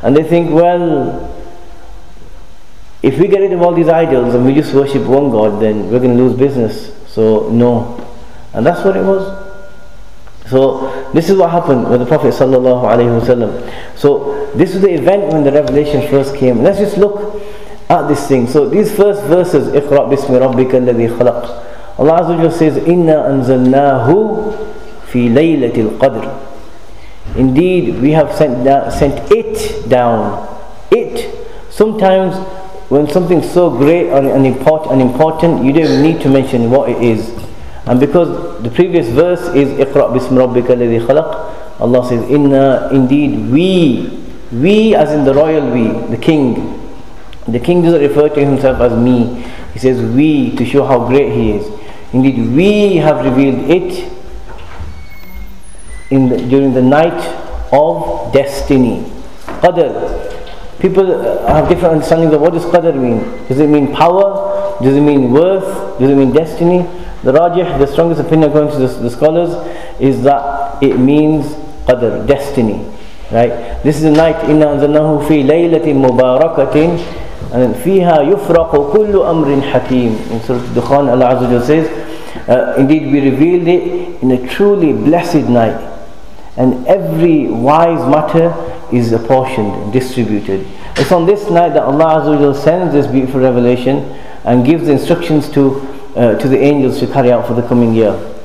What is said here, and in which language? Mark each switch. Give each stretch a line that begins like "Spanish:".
English: And they think, well, if we get rid of all these idols and we just worship one God, then we're going to lose business. So, no. And that's what it was. So, this is what happened with the Prophet sallallahu alaihi wasallam. So, this is the event when the revelation first came. Let's just look at this thing. So, these first verses,
Arabic: اقرأ بسم ربك الذي خلق.
English: Allah Azza wa Jalla says,
Arabic: إِنَّا أَنزَلْنَاهُ فِي لَيْلَةِ الْقَدْرِ.
English: Indeed, we have sent it down. It. Sometimes, when something so great and important, you don't need to mention what it is. And because the previous verse is
Arabic: اقرأ بسم ربك الذي خلق,
English: Allah says,
Arabic: إِنَّا
English: indeed we as in the royal we, the king. The king doesn't refer to himself as me. He says we to show how great he is. Indeed, we have revealed it during the night of destiny. Qadr. People have different understandings of what does Qadr mean? Does it mean power? Does it mean worth? Does it mean destiny? The rajih, the strongest opinion according to the scholars, is that it means Qadr, destiny. Right? This is the night,
Arabic: إِنَّا أَنزَلْنَاهُ فِي لَيْلَةٍ مُبَارَكَةٍ and فِيهَا يُفْرَقُ كُلُّ أَمْرٍ حَكِيمٍ.
English: In Surah Dukhan, Allah Azza wa Jalla says, indeed we revealed it in a truly blessed night. And every wise matter is apportioned, distributed. It's on this night that Allah Azza wa Jalla sends this beautiful revelation and gives instructions to the angels to carry out for the coming year.